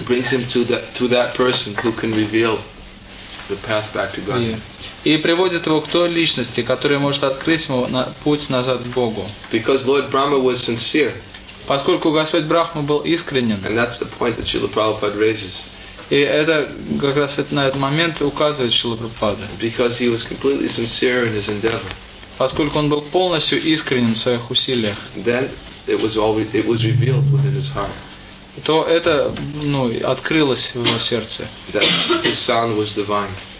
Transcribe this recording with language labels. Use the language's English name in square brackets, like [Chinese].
[English] him to that person who can reveal the path back to God. Yeah. [Russian] И приводит его к той личности, которая может открыть ему путь назад к Богу. [English] Because Lord Brahma was sincere. [Russian] Поскольку Господь Брахма был искренен. [English] And that's the point that Srila Prabhupada raises. [Russian] И это как раз на этот момент указывает Шрила Прабхупада. [English] Because he was completely sincere in his endeavor. [Russian] Поскольку он был полностью искренен в своих усилиях. [English] Then it was revealed within his heart. [Russian] То это, ну, открылось в его сердце. [English] That the sound was divine.